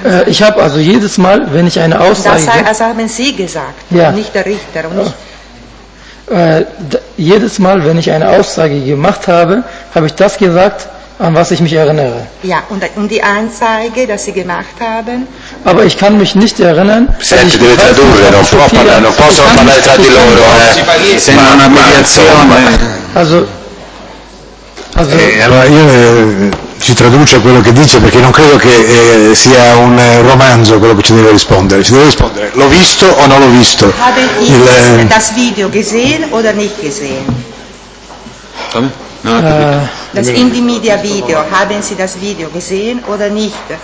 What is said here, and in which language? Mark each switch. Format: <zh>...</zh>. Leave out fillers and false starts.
<de>ich habe also jedes Mal, wenn ich eine Aussage... Das haben Sie gesagt, ja. Nicht der Richter. Und jedes Mal, wenn ich eine Aussage gemacht habe, habe ich das gesagt, an was ich mich erinnere. Ja, und die Anzeige, dass Sie gemacht haben... Aber ich kann mich nicht erinnern...</de> <it>Senti,</it> <de>ich</de> <it>deve tradurre, non può parlare, non posso parlare tra di loro, se non una mediazione.</it> <de>Also</de> <it>allora io... ci traduce quello che dice, perché non credo che sia un romanzo quello che ci deve rispondere. Ci deve rispondere: l'ho visto o non l'ho visto?</it> <de>Il das video gesehen oder nicht gesehen? Das Indimedia Video, haben Sie das Video gesehen oder nicht?</de>